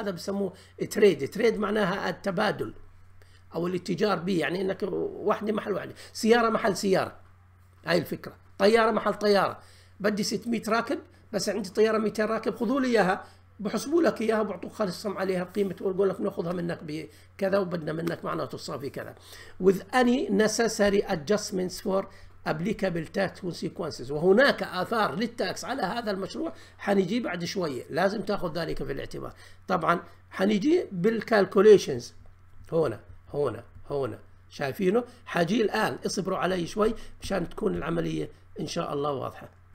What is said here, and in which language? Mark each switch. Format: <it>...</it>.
<ar>هذا بسموه تريد. تريد معناها التبادل أو الاتجار به، يعني أنك واحدة محل واحدة، سيارة محل سيارة، هاي الفكرة. طيارة محل طيارة، بدي 600 راكب بس عندي طيارة 200 راكب، خذوا لي إياها، بحسبوا لك إياها، بعطوك خصم عليها قيمة، ويقول لك نأخذها منك بكذا، وبدنا منك معناته الصافي كذا.</ar> <en>With any necessary adjustments for applicable tax consequences.</en> <ar>وهناك آثار للتاكس على هذا المشروع حنجي بعد شوية، لازم تأخذ ذلك في الاعتبار. طبعا حنجي بالcalculations هنا هنا هنا، شايفينه؟ حاجي الآن، اصبروا علي شوي مشان تكون العملية إن شاء الله واضحة.</ar>